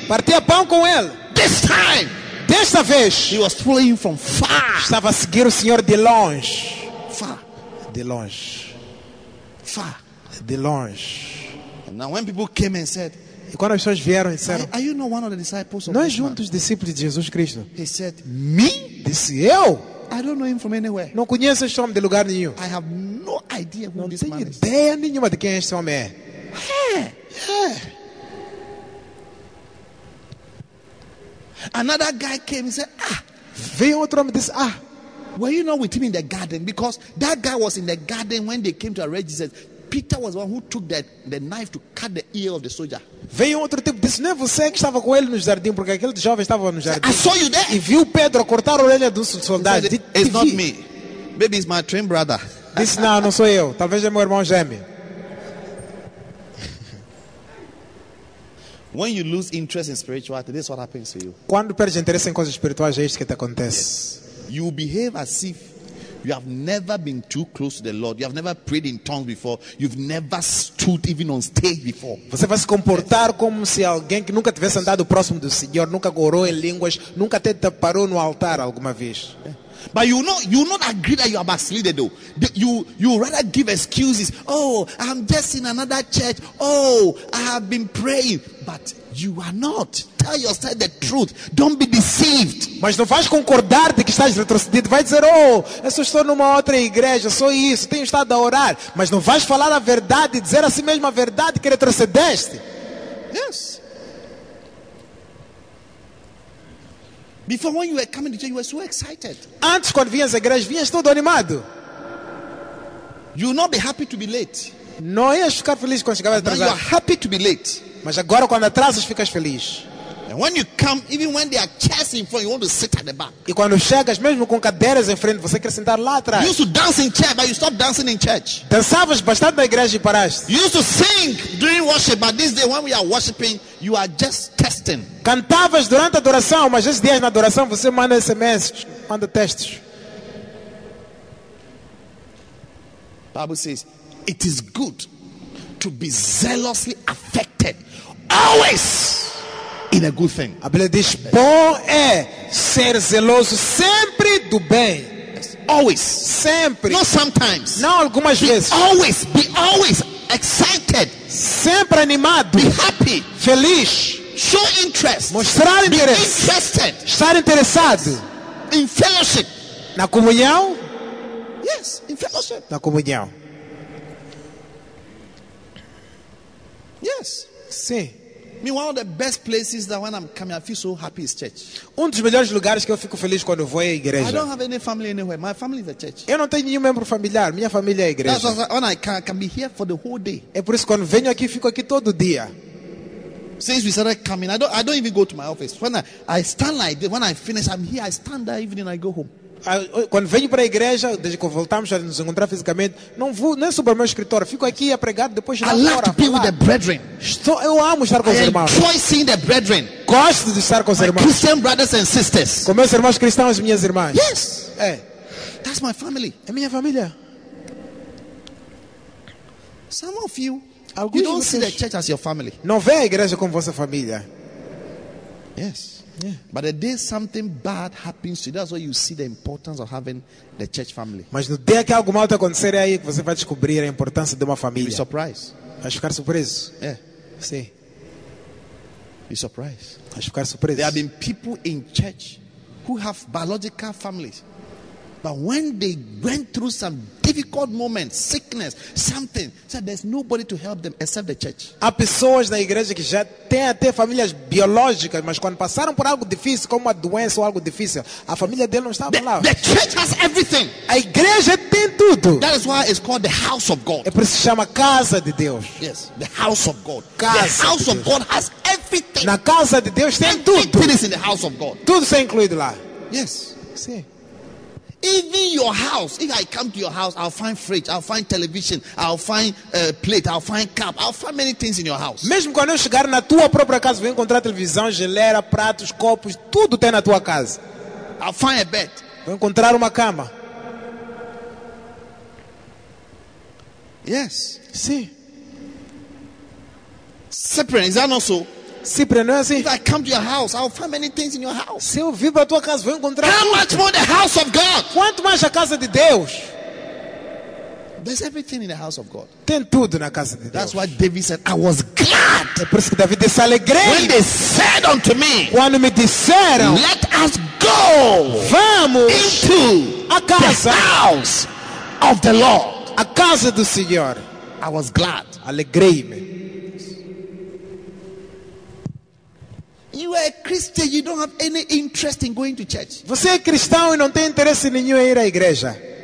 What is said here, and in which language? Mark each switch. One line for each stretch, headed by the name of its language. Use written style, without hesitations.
Portuguese: Partia pão com ele.
English: This time,
Portuguese: desta vez,
English: he was following him from far.
Portuguese: Estava a seguir o Senhor de longe.
English: Far,
Portuguese: de longe.
English: Far,
Portuguese: de longe.
English: And now, when people came and said,
Portuguese: e quando as pessoas vieram e disseram,
English: are you not one of the disciples of
Portuguese: Jesus? Não és um dos discípulos de Jesus Cristo?
English: He said, me?
Portuguese: Disse eu?
English: I don't know him from anywhere.
Portuguese: Não conheço este homem de lugar nenhum.
English: I have no idea who
Portuguese: não
English: this man
Portuguese: tenho ideia nenhuma de quem este homem é.
English: Another guy came and said, ah.
Portuguese: Veio outro homem e disse, ah.
English: Were you not with him in the garden? Because that guy was in the garden when they came to arrest Jesus. Peter was the one who took the knife to cut the ear of the soldier.
Portuguese: Veio outro tipo, disse, não é você que estava com ele no jardim, porque aquele jovem estava no jardim.
English: I saw you there.
Portuguese: E viu Pedro cortar a orelha do soldado.
English: Said, it's not me. Maybe it's my twin brother.
Portuguese: Disse, não, não sou eu. Talvez é meu irmão gêmeo.
English: When you lose interest in spirituality, this is what happens to you.
Portuguese: Quando perdes interesse em coisas espirituais, é isto que te acontece.
English: Yes. You behave as if you have never been too close to the Lord. You have never prayed in tongues before. You've never stood even on stage before.
Portuguese: Você vai se comportar como se alguém que nunca tivesse andado próximo do Senhor, nunca orou em línguas, nunca te parou no altar alguma vez.
English: But you not agree that you are backslidden though. You rather give excuses. Oh, I'm just in another church. Oh, I have been praying. But you are not. Tell yourself the truth. Don't be deceived.
Portuguese: Mas não vais concordar de que estás retrocedido. Vai dizer, oh, eu só estou numa outra igreja. Sou isso. Tenho estado a orar. Mas não vais falar a verdade e dizer a si mesmo a verdade que retrocedeste.
English: Yes. Before when you were coming to church, you were so excited.
Portuguese: Antes quando vinhas à igreja, vinhas todo animado.
English: You will not be happy to be late.
Portuguese: Não ias ficar feliz quando chegavas atrasado.
English: You are happy to be late.
Portuguese: Mas agora quando atrasas, ficas feliz.
English: And when you come, even when they are chairs in front, you want to sit at the back.
Portuguese: E quando chegas, mesmo com cadeiras em frente, você quer sentar lá atrás.
English: You used to dance in church, but you stopped dancing in church.
Portuguese: Dançavas bastante na igreja e paraste.
English: You used to sing during worship, but this day when we are worshiping, you are just testing.
Portuguese: Cantavas durante a adoração, mas esses dias na adoração você manda SMS, manda textos.
English: Bible says, it is good to be zealously affected, always in a good thing.
Portuguese: A Bíblia diz, bom é ser zeloso sempre do bem.
English: Yes. Always.
Portuguese: Sempre.
English: Not sometimes.
Portuguese: Não algumas
English: be
Portuguese: vezes.
English: Always, be always excited.
Portuguese: Sempre animado.
English: Be happy.
Portuguese: Feliz.
English: Show interest.
Portuguese: Mostrar interesse.
English: Be interested.
Portuguese: Estar interessado.
English: In fellowship.
Portuguese: Na comunhão.
English: Yes, in fellowship.
Portuguese: Na comunhão.
English: Yes.
Portuguese: Sim.
English: I mean, one of the best places that when I'm coming, I feel so happy is church.
Portuguese: Um dos melhores lugares que eu fico feliz quando vou é a igreja.
English: I don't have any family anywhere. My family is a church.
Portuguese: Eu não tenho nenhum membro familiar. Minha família é a igreja.
English: That's why when I can be here for the whole day.
Portuguese: É por isso que quando venho aqui, fico aqui todo dia.
English: Since we started coming, I don't even go to my office. When I stand like this, when I finish, I'm here. I stand there even when I go home.
Portuguese: Quando venho para a igreja, desde que voltamos a nos encontrar fisicamente, não subo ao meu escritório. Fico aqui a pregar depois de lá fora.
English: I love to be with the brethren.
Portuguese: Eu amo estar com os irmãos.
English: I enjoy seeing the brethren.
Portuguese: Gosto de estar com os irmãos.
English: Christian brothers and sisters.
Portuguese: Com meus irmãos cristãos e minhas irmãs.
English: Yes.
Portuguese: É.
English: That's my family.
Portuguese: É minha família.
English: Some of you. You don't see the church as your family.
Portuguese: Não vê a igreja como vossa família.
English: Yes. Yeah. But the day something bad happens to you, that's why you see the importance of having the church family.
Portuguese: Mas no dia que algo mal te acontecer aí que você vai descobrir a importância de uma família.
English: You'll be surprised.
Portuguese: Vai ficar surpreso.
English: Yeah.
Portuguese: Sim.
English: Be surprised.
Portuguese: Vai ficar surpreso.
English: There have been people in church who have biological families. But when they went through some difficult moment, sickness, something, said there's nobody to help them except the church.
Portuguese: Há pessoas na igreja que já têm até famílias biológicas, mas quando passaram por algo difícil, como uma doença ou algo difícil, a família dele não estava lá.
English: The church has everything.
Portuguese: A igreja tem tudo.
English: That is why it's called the house of God.
Portuguese: É por isso que chama casa de Deus.
English: Yes, the house of God.
Portuguese: Casa.
English: The house of God has everything.
Portuguese: Na casa de Deus tem tudo.
English: Everything is in the house of God.
Portuguese: Tudo está incluído lá.
English: Yes.
Portuguese: Sim.
English: Even your house, if I come to your house, I'll find fridge, I'll find television, I'll find plate, I'll find cup, I'll find many things in your house.
Portuguese: Mesmo quando eu chegar na tua própria casa, vou encontrar televisão, geleira, pratos, copos, tudo tem na tua casa.
English: I'll find a bed.
Portuguese: Vou encontrar uma cama.
English: Yes.
Portuguese: Sim.
English: Cyprian, is that not so?
Portuguese: Cyprian, não é assim?
English: If I come to your house, I'll find many things in your house.
Portuguese: Se eu vir para tua casa, vou encontrar.
English: How much more the house of God?
Portuguese: Quanto mais a casa de Deus?
English: There's everything in the house of God.
Portuguese: Tem tudo na casa de Deus.
English: That's why David said, "I was glad."
Portuguese: É por isso que David disse, alegrei.
English: When they said unto me,
Portuguese: quando me disseram,
English: "Let us go,
Portuguese: vamos
English: into
Portuguese: a casa,
English: the house of the Lord,
Portuguese: a casa do Senhor."
English: I was glad.
Portuguese: Alegrei-me.
English: You are a Christian, you don't have any interest in going to church.
Portuguese: Você é cristão e não tem interesse nenhum em ir à igreja.